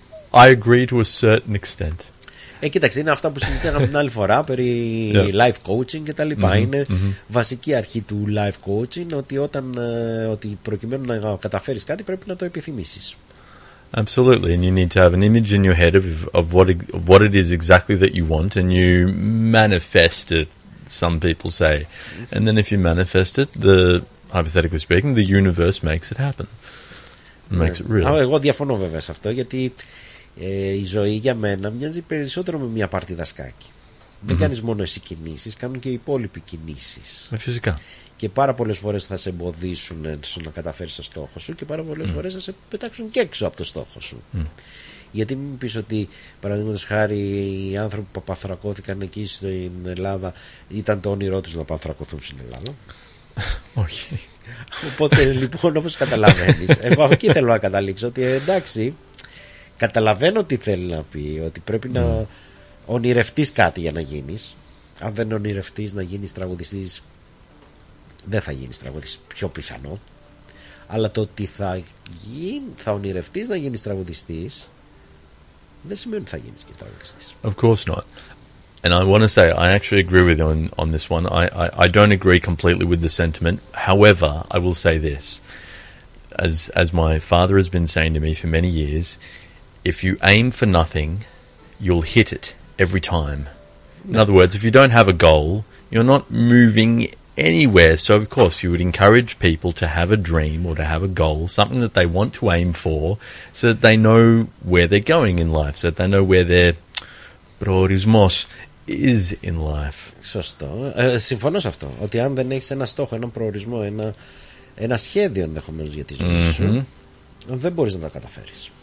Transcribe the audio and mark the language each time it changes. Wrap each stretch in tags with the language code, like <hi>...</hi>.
<en>I agree to a certain extent.</en> <el>Κοίταξε, είναι αυτά που συζητήσαμε την άλλη φορά περί life coaching και τα λοιπά. Είναι βασική αρχή του life coaching, ότι όταν, ότι προκειμένου να καταφέρεις κάτι πρέπει να το επιθυμήσεις.</el> <en>Absolutely, and you need to have an image in your head of what it is exactly that you want, and you manifest it, some people say. And then if you manifest it, the, hypothetically speaking, the universe makes it happen. Makes it real.</en> <el>Εγώ διαφωνώ βέβαια σε αυτό, γιατί η ζωή για μένα μοιάζει περισσότερο με μια παρτίδα σκάκι. Δεν κάνεις μόνο εσύ κινήσεις, κάνουν και οι υπόλοιποι κινήσεις. Φυσικά. Και πάρα πολλές φορές θα σε εμποδίσουν να καταφέρεις το στόχο σου, και πάρα πολλές φορές θα σε πετάξουν και έξω από το στόχο σου. Γιατί μην πεις ότι, παραδείγματος χάρη, οι άνθρωποι που παθρακώθηκαν εκεί στην Ελλάδα, ήταν το όνειρό τους να παθρακωθούν στην Ελλάδα. Όχι. Οπότε λοιπόν, όπως καταλαβαίνεις, εγώ εκεί θέλω να καταλήξω, ότι εντάξει, καταλαβαίνω τι θέλει να πει, ότι πρέπει να ονειρευτείς κάτι για να γίνεις. Αν δεν ονειρευτείς να γίνεις τραγουδιστής, δεν θα γίνεις τραγουδιστής, πιο πιθανό. Αλλά το ότι θα ονειρευτείς να γίνεις τραγουδιστής δεν σημαίνει ότι θα γίνεις και τραγουδιστής.</el> <en>Of course not. And I want to say, I actually agree with you on this one. I don't agree completely with the sentiment. However, I will say this. As my father has been saying to me for many years, if you aim for nothing, you'll hit it every time. In other words, if you don't have a goal, you're not moving anywhere. So, of course, you would encourage people to have a dream or to have a goal, something that they want to aim for, so that they know where they're going in life, so that they know where their προορισμός is in life.</en> <el>Σωστό. Συμφωνώ σε αυτό. Ότι αν δεν έχεις ένα στόχο, ένα προορισμό, ένα σχέδιο ενδεχομένως για τη ζωή σου, δεν μπορείς να τα καταφέρεις.</el>